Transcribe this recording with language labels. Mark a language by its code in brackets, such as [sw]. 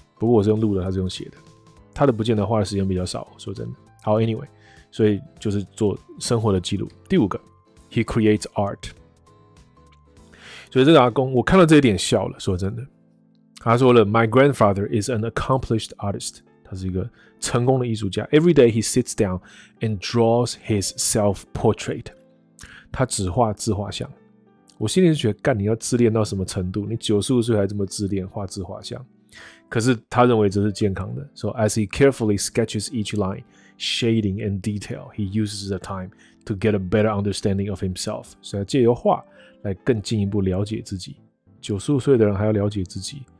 [zh] 不过我是用录的，他是用写的。他的不见得花的时间比较少，说真的。好 ，Anyway， 所以就是做生活的记录。第五个 ， [en] He creates art. [zh] 所以这个阿公，我看到这一点笑了，说真的。他说了 ， [en] My grandfather is an accomplished artist. [zh] 他是一个成功的艺术家。 [en] Every day he sits down and draws his self portrait. [zh] 他只画自画像。我心里就觉得，干，你要自恋到什么程度？你95岁还这么自恋，画自画像？可是他认为这是健康的。 [en] So as he carefully sketches each line, shading and detail, he uses the time to get a better understanding of himself. [zh] 所以借由画来更进一步了解自己。95岁的人还要了解自己。